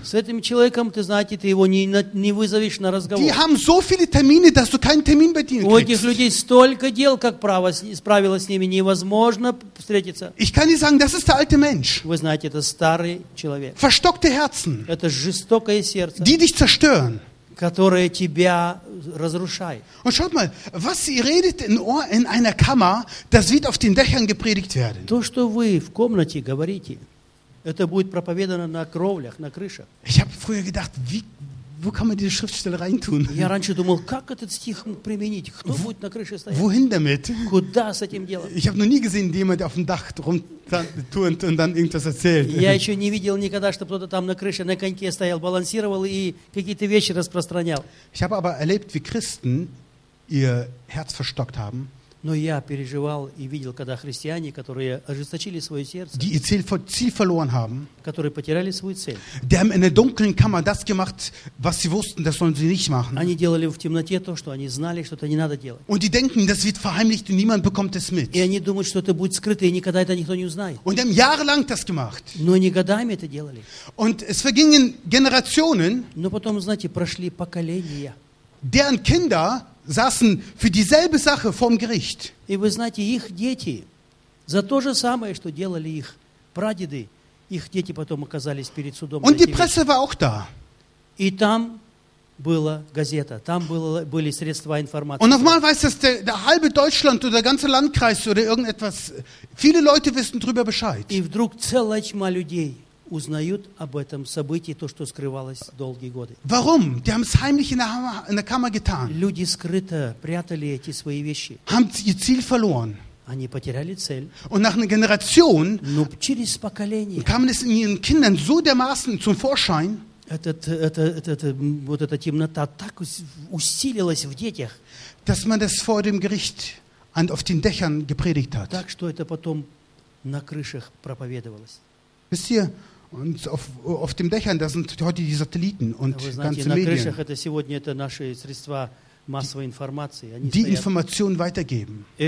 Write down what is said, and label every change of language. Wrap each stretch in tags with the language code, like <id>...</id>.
<ru>С этим человеком, ты знаете, ты его не вызовешь на разговор.</ru> <de>Die haben so viele Termine, dass du keinen Termin bei denen kriegst.</de> <ru>У этих людей столько дел, как правило, с ними невозможно встретиться.</ru> <de>Ich kann dir sagen, das ist der alte Mensch.</de> <ru>Вы знаете, это старый человек.</ru> <de>Verstockte Herzen.</de> <ru>Это жестокое сердце.</ru> <de>Die dich zerstören.</de> <ru>Которое тебя разрушает.</ru> <de>Und schaut mal, was sie redet in einer Kammer, das wird auf den Dächern gepredigt werden.</de> <ru>То, что вы в комнате говорите, это будет проповедано на кровлях, на крышах.</ru> <de>Ich habe früher gedacht, wie wo kann man diese Schriftstelle reintun?</de> <ru>Я раньше думал, как этот стих применить? Кто будет на крыше стоять?</ru> <de>Wohin damit?</de> <ru>Куда с этим делом?</ru> <de>Ich habe noch nie gesehen, jemand auf dem Dach rumturnt und dann irgendwas erzählt.</de> <ru>Я еще не видел никогда, чтобы кто-то там на крыше на коньке стоял, балансировал и какие-то вещи распространял.</ru> <de>Ich habe aber erlebt, wie Christen ihr Herz verstockt haben.</de> <ru>Но я переживал и видел, когда христиане, которые ожесточили свое сердце,</ru> <de>die ihr Ziel verloren haben,</de> <ru>которые потеряли свою цель,</ru> <de>die haben in der dunklen Kammer das gemacht, was sie wussten, das sollen sie nicht machen.</de> <ru>Они делали в темноте то, что они знали, что это не надо делать.</ru> <de>Und die denken, das wird verheimlicht und niemand bekommt es mit.</de> <ru>И они думают, что это будет скрыто и никогда это никто не узнает.</ru> <de>Und haben jahrelang das gemacht.</de> <ru>Но они годами это делали.</ru> <de>Und es vergingen Generationen.</de> <ru>Но потом, знаете, прошли поколения.</ru> <de>Deren Kinder saßen für dieselbe Sache vorm Gericht.</de> <ru>И вы знаете, их дети за то же самое, что делали их прадеды, их дети потом оказались перед судом.</ru> <de>Und die Presse war auch da.</de> <ru>И там была газета, там были средства информации.</ru> <de>Und nochmal weiß das der halbe Deutschland oder der ganze Landkreis oder irgendetwas. Viele Leute wissen drüber Bescheid.</de> <ru>И вдруг целая тьма людей узнают об этом событии, то, что скрывалось долгие годы.</ru> <de>Warum? Die haben es heimlich in der Kammer getan.</de> <ru>Люди скрыто прятали эти свои вещи.</ru> <de>Haben ihr Ziel verloren.</de> <ru>Они потеряли цель.</ru> <de>Und nach einer Generation,</de> <ru>но через поколение,</ru> <de>kam es in ihren Kindern so dermaßen zum Vorschein,</de> <ru>вот эта темнота так усилилась в детях,</ru> <de>dass man das vor dem Gericht auf den Dächern gepredigt hat.</de> <ru>Так что это потом на крышах проповедовалось.</ru> <de>Wisst ihr, und auf den Dächern, da sind heute die Satelliten und</de> <ru>знаете,</ru> <de>ganze Medien,</de> <ru>это информации.</ru> <de>Die Informationen weitergeben.</de>